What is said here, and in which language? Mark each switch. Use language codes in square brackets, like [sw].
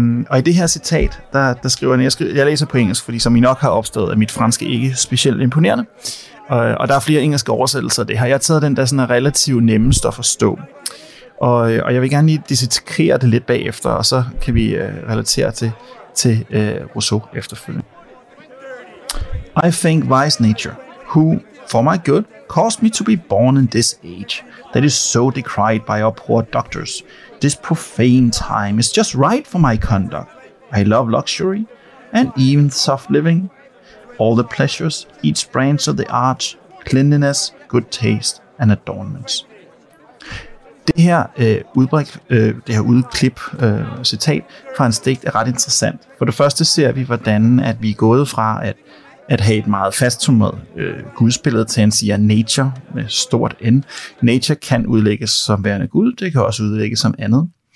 [da] Og i det her citat, der skriver han, jeg læser på engelsk, fordi som I nok har opstået, er mit franske ikke specielt imponerende. Og der er flere engelske oversættelser af det her. Jeg har taget den, der sådan er relativt nemmest at forstå. Og jeg vil gerne lige dissekere det lidt bagefter, og så kan vi relatere til Rousseau efterfølgende. [en] I think wise nature, who, for my good, caused me to be born in this age, that is so decried by our poor doctors. This profane time is just right for my conduct. I love luxury, and even soft living. All the pleasures, each branch of the art, cleanliness, good taste, and Adornments. [da] Det her udklip, citat fra hans digt er ret interessant. For det første ser vi, hvordan at vi er gået fra at have et meget fasttummet gudsbillede til, at han siger nature med stort N. Nature kan udlægges som værende gud, det kan også udlægges som andet.